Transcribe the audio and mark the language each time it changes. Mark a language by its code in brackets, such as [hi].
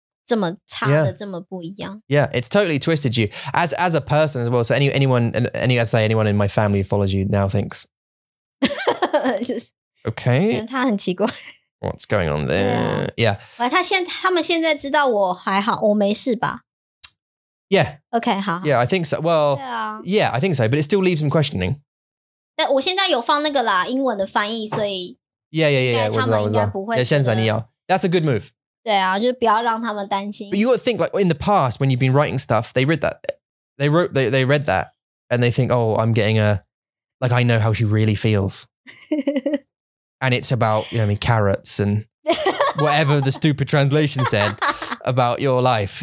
[zh] 对,他们的故事不会这么差的这么不一样. [en] Yeah, it's totally twisted you. As a person as well, so anyone in my family who follows you now thinks. Okay. [zh] 他很奇怪. [en] What's going on there? Yeah. [zh] Well, 他们现在知道我还好,我没事吧? [en] Yeah. [zh] Okay, 好. [en] Yeah, I think so. Well, yeah, I think so, but it still leaves them questioning. [zh] 我现在有放那个啦,英文的翻译,所以 [en] Yeah. That's a good move. [zh] 对啊，就是不要让他们担心. [en] But you got to think, like, in the past when you've been writing stuff, they read that. They read that and they think, oh, I'm getting a, like, I know how she really feels. And it's about, you know, I mean, carrots and whatever the stupid translation said about your life.